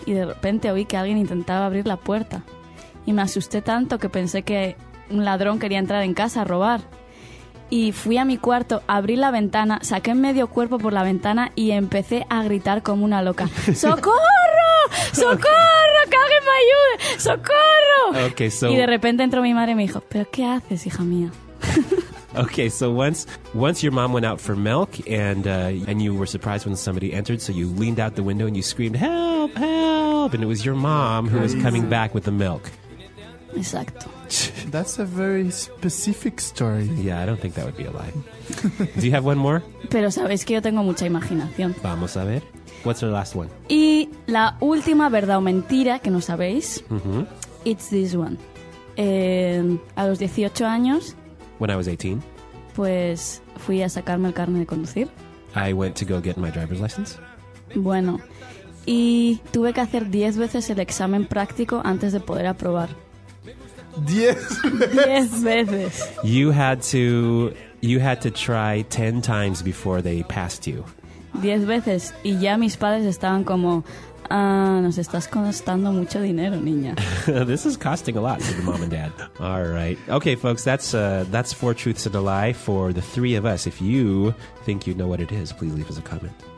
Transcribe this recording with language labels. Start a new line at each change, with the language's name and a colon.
Spanish: Y de repente oí que alguien intentaba abrir la puerta. Y me asusté tanto que pensé que un ladrón quería entrar en casa a robar. Y fui a mi cuarto, abrí la ventana, saqué medio cuerpo por la ventana y empecé a gritar como una loca. ¡Socorro! ¡Socorro! ¡Que alguien me ayude! ¡Socorro!
English: Okay, so,
Spanish: y de repente entró mi madre y me dijo, ¿pero qué haces, hija mía?
English: Okay, so once your mom went out for milk and you were surprised when somebody entered, so you leaned out the window and you screamed,
Spanish: ¡help, help!
English: And it was your mom who was coming back with the milk.
Spanish: Exacto.
English: That's a very specific story. Yeah, I don't think that would be a lie. Do you have one more?
Spanish: Pero sabéis que yo tengo mucha imaginación. Vamos a ver.
English: What's the last one?
Spanish: Y la última verdad o mentira que no sabéis.
English: It's this one.
Spanish: A los 18 años.
English: When I was 18.
Spanish: Pues fui a sacarme el carnet de conducir.
English: I went to go get my driver's license.
Spanish: Bueno. Y tuve que hacer 10 veces el examen práctico antes de poder aprobar. 10 veces.
English: You had to try 10 times before they passed you.
Spanish: 10 veces. Y ya mis padres estaban como, nos estás costando mucho dinero, niña.
English: This is costing a lot to the mom and dad. All right. Okay, folks, that's 4 truths and a lie for the 3 of us. If you think you know what it is, please leave us a comment.